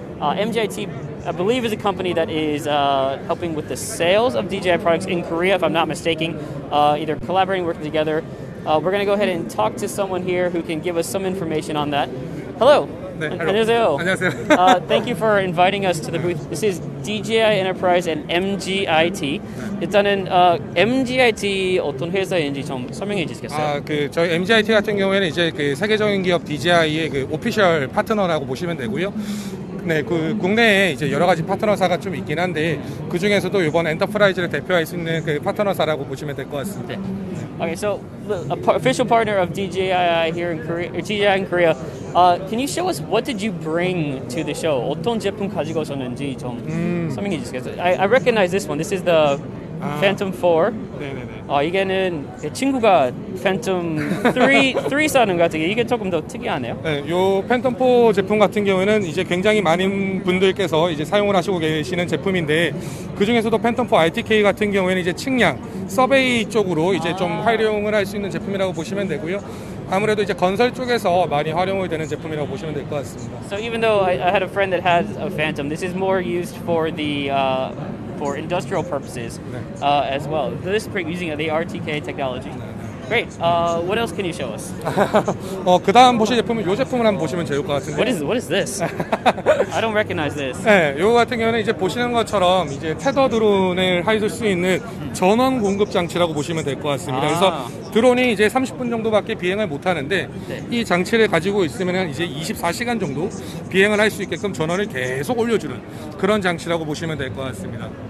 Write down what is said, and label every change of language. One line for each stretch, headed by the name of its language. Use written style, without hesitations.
English: MGIT, I believe, is a company that is helping with the sales of DJI products in Korea, if I'm not mistaken, either collaborating, working together. We're going to go ahead and talk to someone here who can give us some information on that. Hello.
Korean: 네, 안녕하세요. 안녕하세요.
English: thank you for inviting us to the booth. This is DJI Enterprise and MGIT.
Korean: 일단은 MGIT 어떤 회사인지 좀 설명해 주시겠어요? 저희 MGIT 같은 경우에는 이제 그 세계적인 기업 DJI의 그 오피셜 파트너라고 보시면 되고요. 네, 그 국내에 이제 여러 가지 파트너사가 좀 있긴 한데 그 중에서도 이번 엔터프라이즈를 대표할 수 있는 그 파트너사라고 보시면 될 것 같습니다. 네.
English: Okay, so the official partner of DJI here in Korea, DJI in Korea. Can you show us what did you bring to the show?
Korean: 어떤 제품 가지고 오셨는지 좀 설명해 주시겠어요?
English: I recognize this one. This is the Phantom 4.
Korean: 네네네. 이게는 친구가 Phantom 3 사는 것 같아요. 이게 조금 더 특이하네요. 네, 요 Phantom 4 제품 같은 경우에는 이제 굉장히 많은 분들께서 이제 사용을 하시고 계시는 제품인데 그 중에서도 Phantom 4 RTK 같은 경우에는 이제 측량, 서베이 쪽으로 이제 좀 활용을 할 수 있는 제품이라고 보시면 되고요. 아무래도 이제 건설 쪽에서 많이 활용이 되는 제품이라고 보시면 될 것 같습니다.
English: So even though I had a friend that has a Phantom, this is more used for the for industrial purposes as well. This is using the RTK technology. Great. What else can you show us?
Korean: 그 다음 보실 제품은 이 제품을 한번 보시면 좋을 것 같은데.
English: What is this? I don't recognize this.
Korean: 네, 이거 같은 경우는 이제 보시는 것처럼 이제 테더 드론을 할 수 있는 전원 공급 장치라고 보시면 될 것 같습니다. 그래서 드론이 이제 30분 정도밖에 비행을 못 하는데 이 장치를 가지고 있으면 이제 24시간 정도 비행을 할 수 있게끔 전원을 계속 올려주는 그런 장치라고 보시면 될 것 같습니다.